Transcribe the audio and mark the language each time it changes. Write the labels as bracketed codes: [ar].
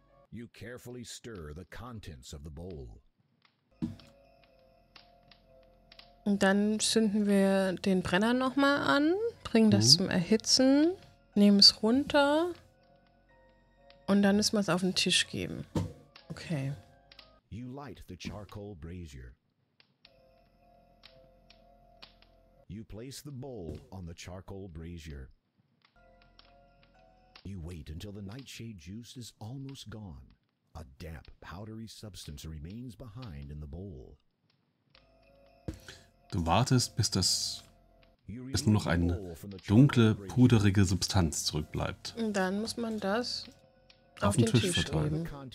[en] You carefully stir the contents of the bowl. [de] Und dann zünden wir den Brenner nochmal an, bringen das zum Erhitzen, nehmen es runter und dann müssen wir es auf den Tisch geben. Okay. [en] You light the charcoal brazier. You place the bowl on the charcoal brazier. You wait until the nightshade juice is almost gone. A damp, powdery substance remains behind in the bowl. [de] Du wartest, bis nur noch eine dunkle, puderige Substanz zurückbleibt. Und dann muss man das auf den Tisch verteilen.